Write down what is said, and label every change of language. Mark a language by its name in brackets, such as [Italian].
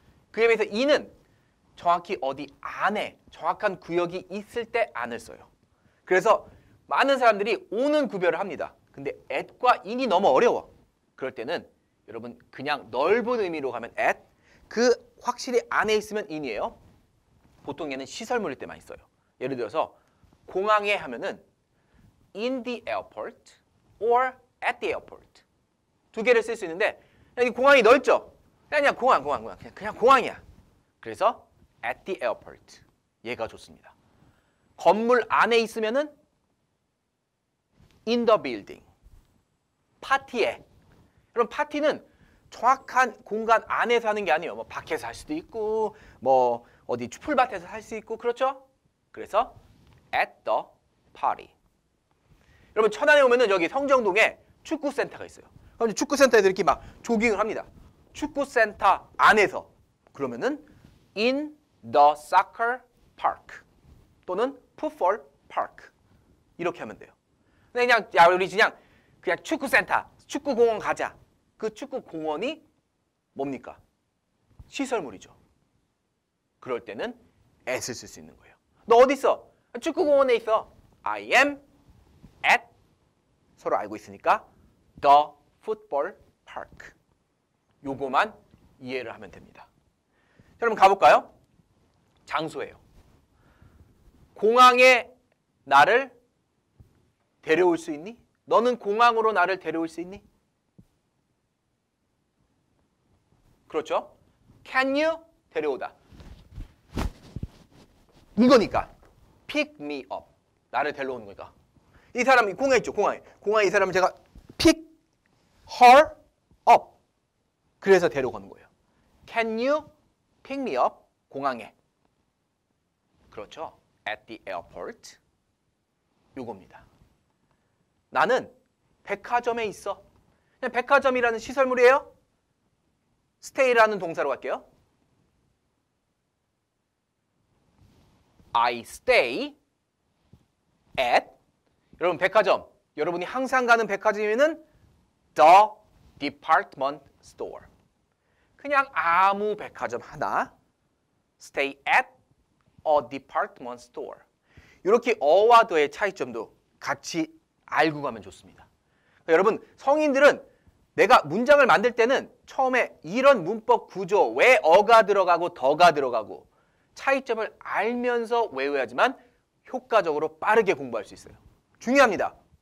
[Korean] 그에 비해서 in은 정확히 어디 안에 정확한 구역이 있을 때 안을 써요. 그래서 많은 사람들이 on은 구별을 합니다. 근데 at과 in이 너무 어려워. 그럴 때는 여러분 그냥 넓은 의미로 가면 at, 그 확실히 안에 있으면 in이에요. 보통 얘는 시설물일 때 많이 써요. 예를 들어서 공항에 하면은 [English] in the airport or at the airport. [Korean] 두 개를 쓸 수 있는데 그냥 공항이 넓죠? 아니야 공항. 그냥 공항이야. [English] 그래서 at the airport. [Korean] 얘가 좋습니다. 건물 안에 있으면은 [English] in the building. [Korean] 파티에. 그럼 파티는 정확한 공간 안에서 하는 게 아니에요. 뭐 밖에서 할 수도 있고 뭐 어디 풀밭에서 할 수 있고 그렇죠? [English] 그래서 at the party. [Korean] 여러분 천안에 오면은 여기 성정동에 축구센터가 있어요. 그럼 축구센터에서 이렇게 막 조깅을 합니다. 축구센터 안에서 그러면은 [English] in the soccer park [Korean] 또는 football park 이렇게 하면 돼요. 그냥 야 우리 그냥 축구센터, 축구공원 가자. 그 축구공원이 뭡니까? 시설물이죠. 그럴 때는 at을 쓸 수 있는 거예요. 너 어디 있어? 축구공원에 있어. [English] I am at [Korean] 서로 알고 있으니까 [English] the football park. [Korean] 요거만 이해를 하면 됩니다. 여러분 가볼까요? 장소예요. 공항에 나를 데려올 수 있니? 너는 공항으로 나를 데려올 수 있니? 그렇죠? [English] Can you 데려오다? [Korean] 이거니까 [English] pick me up [Korean] 나를 데려오는 거니까 이 사람이 공항에 있죠. 공항에 이 사람을 제가 [English] pick her up [Korean] 그래서 데려오는 거예요. [English] Can you pick me up 공항에? [Korean] 그렇죠? [English] At the airport 이겁니다. [Korean] 나는 백화점에 있어. 그냥 백화점이라는 시설물이에요. stay라는 동사로 갈게요. [English] I stay at [Korean] 여러분 백화점. 여러분이 항상 가는 백화점에는 [English] the department store. [Korean] 그냥 아무 백화점 하나. [English] stay at a department store. [Korean] 이렇게 어와 더의 차이점도 같이 알고 가면 좋습니다. 그러니까 여러분 성인들은 내가 문장을 만들 때는 처음에 이런 문법 구조 왜 어가 들어가고 더가 들어가고 차이점을 알면서 외워야지만 효과적으로 빠르게 공부할 수 있어요. 중요합니다.